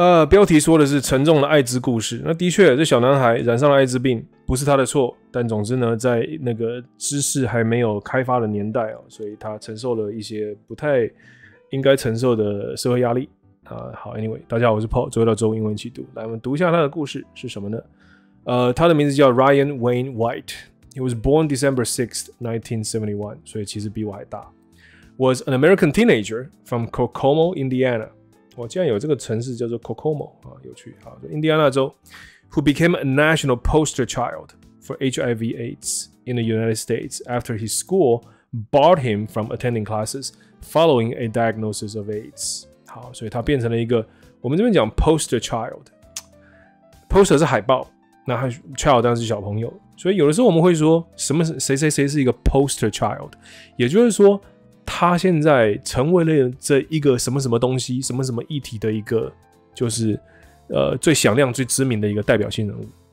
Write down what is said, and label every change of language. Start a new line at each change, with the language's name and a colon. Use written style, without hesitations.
Chinese: 标题说的是沉重的艾滋故事。那的确，这小男孩染上了艾滋病，不是他的错。但总之呢，在那个知识还没有开发的年代哦，所以他承受了一些不太应该承受的社会压力。好 ，Anyway， 大家好，我是 Paul， 周一到周五英文一起读。来，我们读一下他的故事是什么呢？他的名字叫 Ryan Wayne White。
English: He was born December 6th, 1971,
Chinese: 所以其实比我还大。
English: Was an American teenager from Kokomo, Indiana.
Chinese: 哇，竟然有这个城市叫做 Kokomo, 啊，有趣。啊，就印第安纳州。
English: Who became a national poster child for HIV/AIDS in the United States after his school barred him from attending classes following a diagnosis of AIDS.
Chinese: 好，所以他变成了一个，我们这边讲 poster child。 Poster 是海报。那他 child 当然是小朋友，所以有的时候我们会说什么谁谁谁是一个 poster child， 也就是说他现在成为了这一个什么什么东西、什么什么议题的一个，就是最响亮、最知名的一个代表性人物。